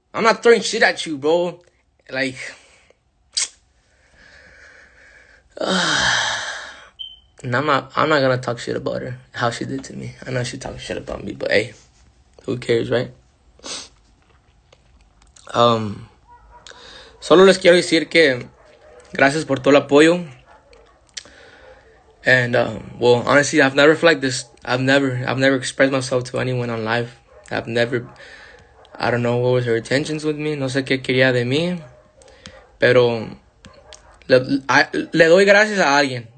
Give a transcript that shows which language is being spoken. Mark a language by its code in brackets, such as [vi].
[en] I'm not throwing shit at you, bro. Like, and I'm not gonna talk shit about her. how she did to me. I know she talking shit about me, but hey, who cares, right? [es] Solo les quiero decir que gracias por todo el apoyo. [en] And well, honestly, I've never felt like this. I've never expressed myself to anyone on live. I don't know what was her intentions with me. [es] No sé qué quería de mí. Pero le doy gracias a alguien.